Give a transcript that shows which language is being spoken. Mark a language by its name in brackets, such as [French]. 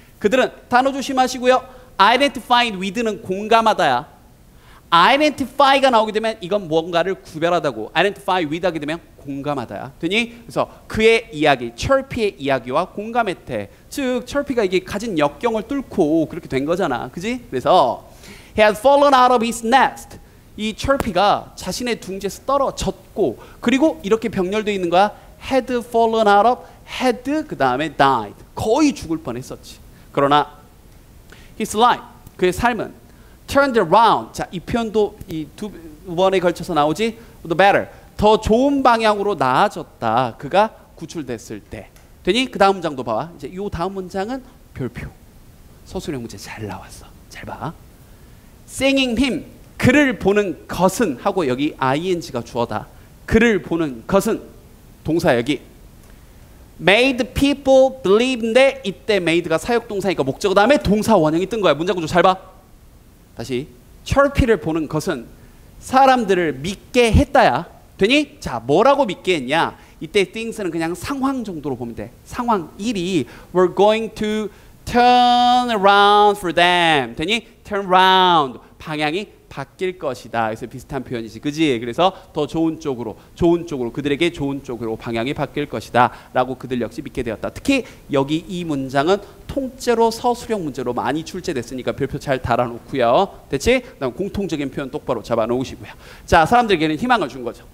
[Korean] 그들은, 단어 조심하시고요. identified with는 공감하다야. identify가 나오게 되면 이건 뭔가를 구별하다고, identify with 하게 되면 공감하다야. 되니? 그래서 그의 이야기, 철피의 이야기와 공감했대. 즉 철피가 이게 가진 역경을 뚫고 그렇게 된 거잖아. 그지? [English] 그래서 he has fallen out of his nest. [Korean] 이 철피가 자신의 둥지에서 떨어졌고, 그리고 이렇게 병렬되어 있는 거야. had fallen out of, had 그 다음에 died. 거의 죽을 뻔했었지. 그러나 [English] his life, [Korean] 그의 삶은 [English] turned around. [Korean] 자, 이 표현도 이 두 번에 걸쳐서 나오지. The better, 더 좋은 방향으로 나아졌다. 그가 구출됐을 때. 되니? 그 다음 문장도 봐봐. 이제 이 다음 문장은 별표. 서술형 문제 잘 나왔어. 잘 봐. [English] Seeing him, [Korean] 그를 보는 것은, 하고 여기 ing가 주어다. 그를 보는 것은, 동사 여기 [English] made people believe. [Korean] 인데 이때 made가 사역동사니까 목적어 다음에 동사 원형이 뜬 거야. 문장 구조 잘 봐. 다시, 철피를 보는 것은 사람들을 믿게 했다야. 되니? 자, 뭐라고 믿게 했냐? 이때 things는 그냥 상황 정도로 보면 돼. [English] 상황 1이 we're going to turn around for them. [Korean] 되니? [English] turn around, 방향이 [Korean] 바뀔 것이다. 그래서 비슷한 표현이지, 그지? 그래서 더 좋은 쪽으로, 좋은 쪽으로, 그들에게 좋은 쪽으로 방향이 바뀔 것이다 라고 그들 역시 믿게 되었다. 특히 여기 이 문장은 통째로 서술형 문제로 많이 출제됐으니까 별표 잘 달아놓고요. 됐지? 그다음 공통적인 표현 똑바로 잡아놓으시고요. 자, 사람들에게는 희망을 준 거죠.